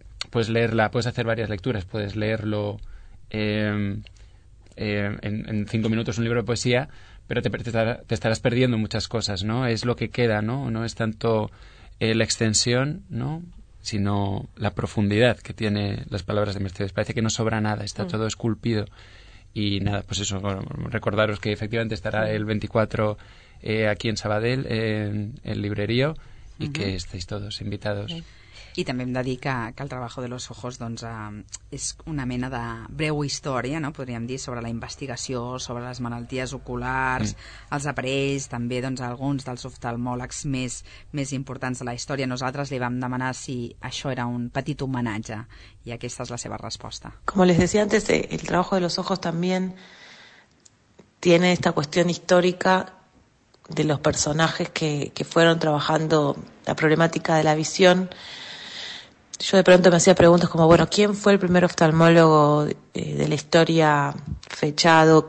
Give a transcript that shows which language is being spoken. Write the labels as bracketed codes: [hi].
[es] puedes leerla, puedes hacer varias lecturas, puedes leerlo en 5 minutos un libro de poesía, pero te estarás perdiendo muchas cosas, ¿no? Es lo que queda, ¿no? No es tanto la extensión, ¿no? sino la profundidad que tiene las palabras de Mercedes. Parece que no sobra nada, está todo esculpido. Y nada, pues eso, bueno, recordaros que efectivamente estará el 24 aquí en Sabadell, en el librerío, y que estéis todos invitados. [ca] I també em dedica que el treball de los ojos doncs, és una mena de breu història, no? Podríem dir, sobre la investigació, sobre les malalties oculars, els aparells, també doncs, alguns dels oftalmòlegs més importants de la història. Nosaltres li vam demanar si això era un petit homenatge i aquesta és la seva resposta. [es] Como les decía antes, el trabajo de los ojos también tiene esta cuestión histórica de los personajes que fueron trabajando la problemática de la visión. Yo de pronto me hacía preguntas como, bueno, ¿quién fue el primer oftalmólogo de la historia fechado?